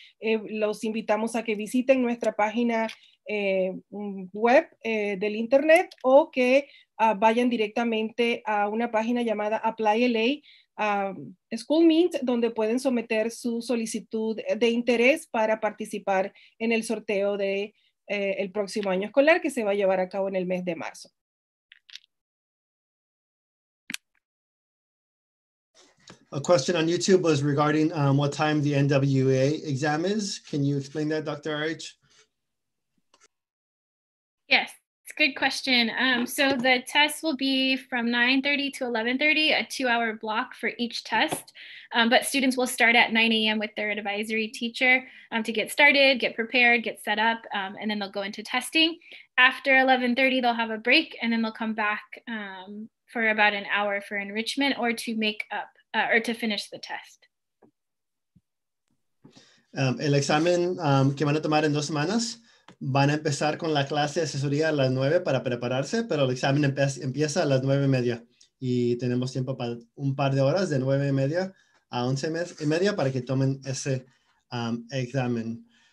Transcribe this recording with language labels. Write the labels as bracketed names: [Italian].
[Spanish] Los invitamos a que visiten nuestra página web del internet o que vayan directamente a una página llamada Apply LA School Meet, donde pueden someter su solicitud de interés para participar en el sorteo de el próximo año escolar que se va a llevar a cabo en el mes de marzo. [English] A question on YouTube was regarding what time the NWA exam is. Can you explain that, Dr. RH? Yes, it's a good question. So the test will be from 9:30 to 11:30, a 2-hour block for each test. But students will start at 9 a.m. with their advisory teacher to get started, get prepared, get set up, and then they'll go into testing. After 11:30, they'll have a break, and then they'll come back for about an hour for enrichment or to make up. Or to finish the test. [Spanish] El examen que van a tomar en dos semanas, van a empezar con la clase de asesoría a las 9 para prepararse, pero el examen empieza a las 9:30 y tenemos tiempo para un par de horas de 9:30 a 11:30 para que tomen ese examen.